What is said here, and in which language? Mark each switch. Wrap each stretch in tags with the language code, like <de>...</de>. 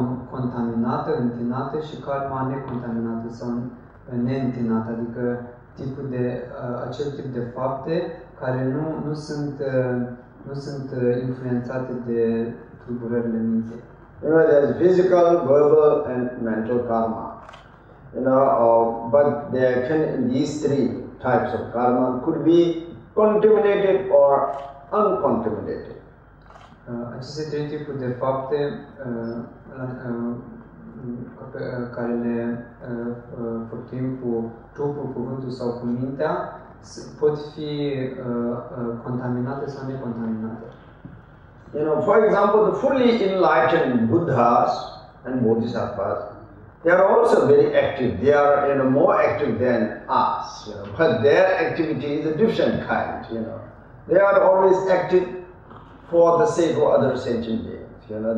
<ro>contaminată, întinată, și karma necontaminată sau neîntinată, adică tipul de acel tip de fapte care nu sunt influențate de tulburările minții.</ro> <en>You know, there's physical, verbal, and mental karma. You know, but there can these three types of karma could be contaminated or uncontaminated.</en> <ro>Aceste trei tipuri de fapte care le portim cu trupul, cuvântul sau cu mintea pot fi contaminate sau necontaminate.</ro> <en>You know, for example, the fully enlightened Buddhas and Bodhisattvas, they are also very active. They are, you know, more active than us, you know, but their activity is a different kind, you know. They are always active for the sake of other sentient beings, you know.</en>